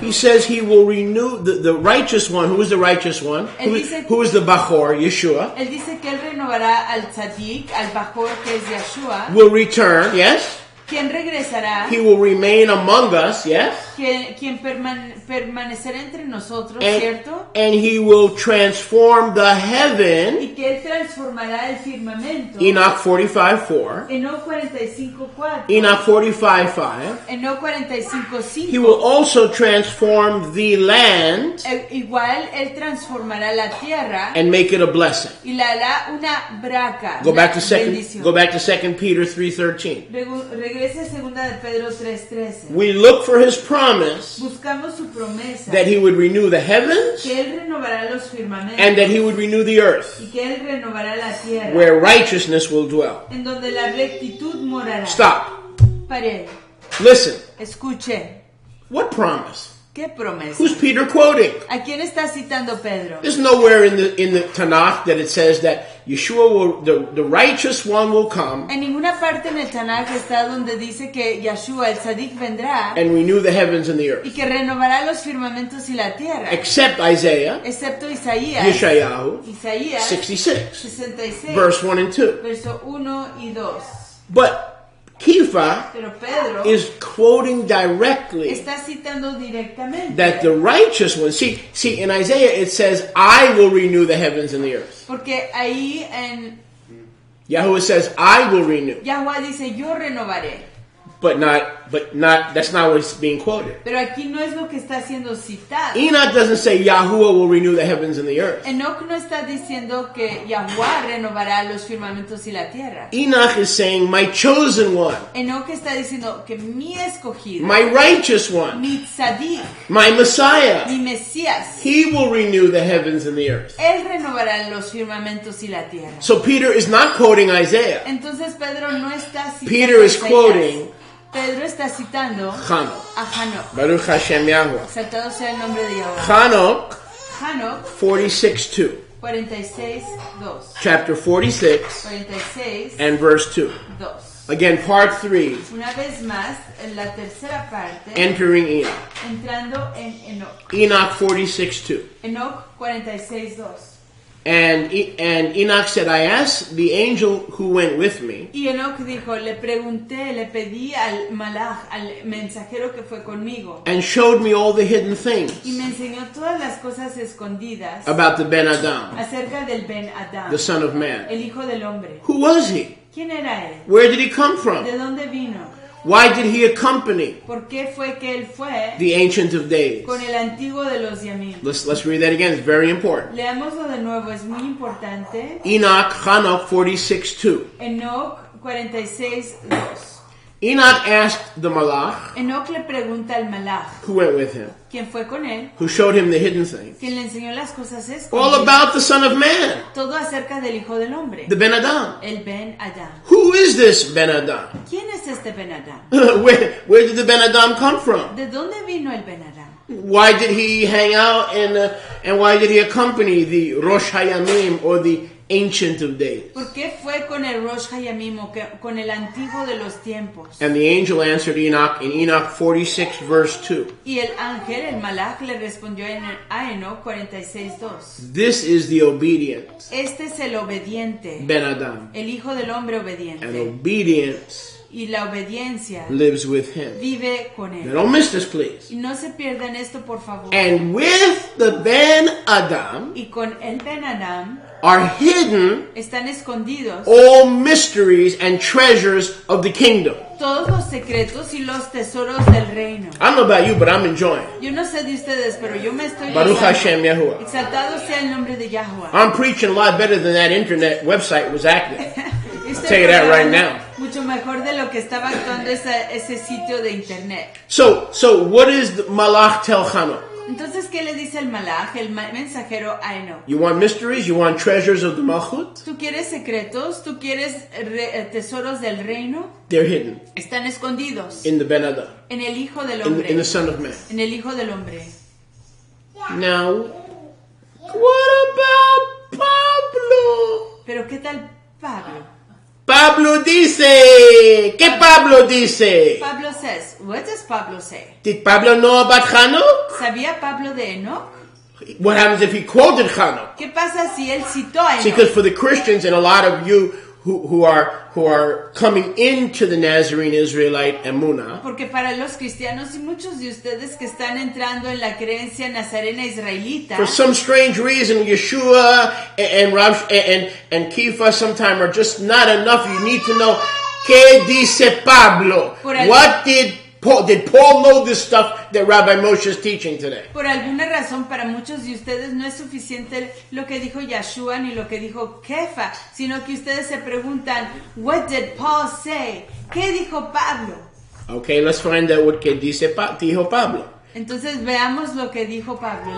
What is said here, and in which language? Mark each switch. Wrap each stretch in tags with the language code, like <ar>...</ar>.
<en>He says he will renew the righteous one. Who is the righteous one? Who is the Bachor, Yeshua?</en> <es>Él dice que él renovará al tzadik, al Bachor, que es Yeshua.</es> <en>Will return, yes?</en> <es>¿Quién regresará?</es> <en>He will remain among us, yes?</en> <es>¿Quién permanecerá entre nosotros,</es> <en>and,</en> <es>cierto?</es> <en>And he will transform the heaven.</en> <es>¿Y que él transformará el firmamento?</es> <en>Enoch 45:4.</en> <es>Enoch 45:4.</es> <en>Enoch 45:5.</en> <es>Enoch 45:5.</es> <en>He will also transform the land.</en> <es>Igual, él transformará la tierra.</es> <en>And make it a blessing.</en> <es>Y la hará una braca.</es> <en>Go back to second. Go back to 2 Peter 3:13.</en> <es>Regrese a segunda de Pedro 3:13.</es> <en>We look for his promise.</en> <es>Buscamos su promesa.</es> <en>That he would renew the heavens.</en> <es>Que él renovará los firmamentos.</es> <en>And that he would renew the earth.</en> <es>Y que él renovará la tierra.</es> <en>Where righteousness will dwell.</en> <es>En donde la rectitud morará.</es> <en>Stop.</en> <es>Pare.</es> <en>Listen.</en> <es>Escuche.</es> <en>What promise?</en> <es>¿Qué promesa?</es> <en>Who's Peter quoting?</en> <es>¿A quién está citando Pedro?</es> <en>There's nowhere in the Tanakh that it says that Yeshua will, the righteous one will come.</en> <es>En ninguna parte en el Tanakh está donde dice que Yeshua el Tzadik vendrá.</es> <en>And renew the heavens and the earth.</en> <es>Y que renovará los firmamentos y la tierra.</es> <en>Except Isaiah.</en> <es>Excepto Isaías.</es> <en>Yeshayahu.</en> <es>Isaías.</es> <en>66.</en> <es>66.</es> <en>Verse 1 and 2.</en> <es>Verso 1 y 2.</es> <en>But Kifa</en> <es>Pero Pedro</es> <en>is quoting directly</en> <es>está citando directamente</es> <en>that the righteous one. See, in Isaiah it says, I will renew the heavens and the earth.</en> <es>Porque ahí en</es> <en>Yahuwah says, I will renew.</en> <es>Yahuwah dice, yo renovaré.</es> <en>But not, that's not what's being quoted.</en> <es>Pero aquí no es lo que está siendo citado.</es> <en>Enoch doesn't say Yahuwah will renew the heavens and the earth.</en> <es>Enoch no está diciendo que Yahuwah renovará los firmamentos y la tierra.</es> <en>Enoch is saying my chosen one.</en> <es>Enoch está diciendo que mi escogido.</es> <en>My righteous one.</en> <es>Mi tzadik.</es> <en>My Messiah.</en> <es>Mi Mesías.</es> <en>He will renew the heavens and the earth.</en> <es>Él renovará los firmamentos y la tierra.</es> <en>So Peter is not quoting Isaiah.</en> <es>Entonces Pedro no está citando</es> <en>Peter is quoting</en> <es>Pedro está citando</es> <en>Hanok.</en> <es>A Hanok.</es> <he>Baruch Hashem Yahweh.</he> <es>Saltado sea el nombre de Yahweh.</es> <en>Hanok.</en> <es>Hanok.</es> <en>46:2.</en> <es>46:2.</es> <en>Chapter 46.</en> <es>46.</es> <en>And verse 2.</en> <es>2.</es> <en>Again, part 3.</en> <es>Una vez más, en la tercera parte.</es> <en>Entering Enoch.</en> <es>Entrando en Enoch.</es> <en>Enoch 46:2.</en> <es>Enoch 46:2.</es> <en>And Enoch said, I asked the angel who went with me.</en> <es>Y Enoch dijo, le pregunté, le pedí al malach, al mensajero que fue conmigo.</es> <en>And showed me all the hidden things.</en> <es>Y me enseñó todas las cosas escondidas.</es> <en>About the Ben Adam.</en> <es>Acerca del Ben Adam.</es> <en>The son of man.</en> <es>El hijo del hombre.</es> <en>Who was he?</en> <es>¿Quién era él?</es> <en>Where did he come from?</en> <es>¿De dónde vino?</es> <en>Why did he accompany</en> <es>¿Por qué fue que él fue</es> <en>the Ancient of Days?</en> <es>Con el Antiguo de los Yamim.</es> <en>Let's read that again. It's very important.</en> <es>Leámoslo de nuevo. Es muy importante.</es> <en>Enoch, Hanok 46:2.</en> <es>Enoch 46:2.</es> <en>Enoch asked the Malach.</en> <es>Enoch le pregunta al Malach.</es> <en>Who went with him?</en> <es>¿Quién fue con él?</es> <en>Who showed him the hidden things?</en> <es>¿Quién le enseñó las cosas escondidas?</es> <en>All about the Son of Man.</en> <es>Todo acerca del Hijo del Hombre.</es> <en>The Ben Adam.</en> <es>El Ben Adam.</es> <en>Who is this Ben Adam?</en> <es>¿Quién es este Ben Adam?</es> <en>Where did the Ben Adam come from?</en> <es>¿De dónde vino el Ben Adam?</es> <en>Why did he hang out and why did he accompany the Rosh Hayamim or the Ancient of Days?</en> <es>¿Por qué fue con el Rosh Hayamim, con el Antiguo de los Tiempos?</es> <en>And the angel answered Enoch in Enoch 46 verse 2.</en> <es>Y el ángel, el Malach, le respondió en Enoch 46:2.</es> <en>This is the obedient.</en> <es>Este es el obediente.</es> <en>Ben Adam.</en> <es>El hijo del hombre obediente.</es> <en>And obedience.</en> <es>Y la obediencia.</es> <en>Lives with him.</en> <es>Vive con él.</es> <en>Now don't miss this, please.</en> <es>Y no se pierdan esto, por favor.</es> <en>And with the Ben Adam.</en> <es>Y con el Ben Adam.</es> <en>Are hidden</en> <es>están escondidos</es> <en>all mysteries and treasures of the kingdom.</en> <es>Todos los secretos y los tesoros del reino.</es> <en>I don't know about you, but I'm enjoying.</en> <es>Yo no sé de ustedes, pero yo me estoy</es> <he>Baruch usando. Hashem Yahuwah.</he> <es>Exaltado sea el nombre de Yahuwah.</es> <en>I'm preaching a lot better than that internet website was acting. I'll tell you that right now.</en> <es>Mucho mejor de lo que estaba actuando ese sitio de internet.</es> <en>So what is the Malach tell Hanok?</en> <es>Entonces, ¿qué le dice el Malach, el mensajero a Enoch?</es> <en>You want mysteries? You want treasures of the Malchut?</en> <es>¿Tú quieres secretos? ¿Tú quieres tesoros del reino?</es> <en>They're hidden.</en> <es>Están escondidos.</es> <en>In the Ben-Adam.</en> <es>En el Hijo del Hombre.</es> <en>In the Son of Man.</en> <es>En el Hijo del Hombre.</es> <en>Now, what about Pablo?</en> <es>¿Pero qué tal Pablo? Pablo dice, ¿qué Pablo dice?</es> <en>Pablo says, what does Pablo say? Did Pablo know about Hanok?</en> <es>¿Sabía Pablo de Enoch?</es> <en>What happens if he quoted Hanok?</en> <es>¿Qué pasa si él citó a Enoch?</es> <en>See, because for the Christians and a lot of you who are coming into the Nazarene Israelite emuna.</en> <es>Porque para los cristianos y muchos de ustedes que están entrando en la creencia nazarena israelita.</es> <en>For some strange reason, Yeshua and Kifa sometime are just not enough. You need to know,</en> <es>¿qué dice Pablo?</es> <en>What did Paul, know this stuff that Rabbi Moshe is teaching today?</en> <es>Por alguna razón, para muchos de ustedes no es suficiente lo que dijo Yeshua ni lo que dijo Kefa, sino que ustedes se preguntan,</es> <en>what did Paul say?</en> <es>¿Qué dijo Pablo?</es> <en>Okay, let's find out what</en> <es>dijo Pablo. Entonces veamos lo que dijo Pablo.</es>